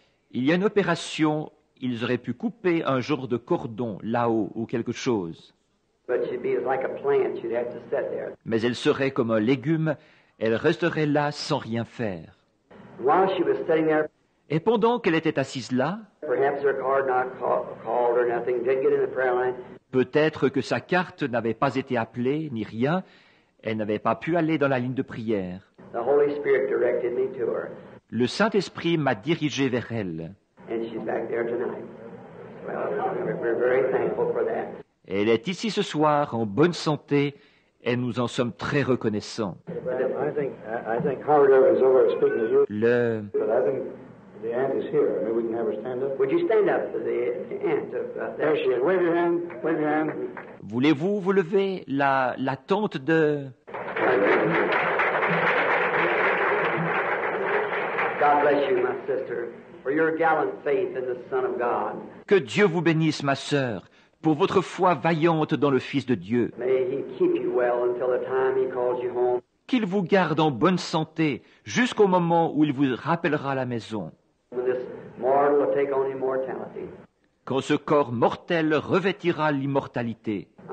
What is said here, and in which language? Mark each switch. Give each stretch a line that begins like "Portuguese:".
French: Il y a une opération, ils auraient pu couper un genre de cordon là-haut ou quelque chose.
English: But she'd be like a plant, she'd have to sit there.
French: Mais elle serait comme un légume, elle resterait là sans rien faire.
English: While she was sitting there,
French: et pendant qu'elle était assise là,
English: perhaps her card not called or nothing, didn't get in the prayer line.
French: Peut-être que sa carte n'avait pas été appelée ni rien. Elle n'avait pas pu aller dans la ligne de prière.
English: The Holy Spirit directed me to her.
French: Le Saint-Esprit m'a dirigé vers elle.
English: And she's back there tonight. Well, we're very thankful for that.
French: Elle est ici ce soir en bonne santé et nous en sommes très reconnaissants.
English: I think Howard Irvin is over speaking to you.
French: Le...
English: But I think the aunt is here. Maybe we can have her stand up. Would you stand up for the aunt? There she is. Wave your hand. Wave your hand.
French: Voulez-vous vous lever, la tante de...
English: God bless you, my sister, for your gallant faith in the Son of God.
French: Que Dieu vous bénisse, ma sœur, pour votre foi vaillante dans le Fils de Dieu.
English: May he keep you well until the time he calls you home.
French: Qu'il vous garde en bonne santé jusqu'au moment où il vous rappellera à la maison.
English: When this mortal will take on immortality.
French: Quand ce corps mortel revêtira l'immortalité.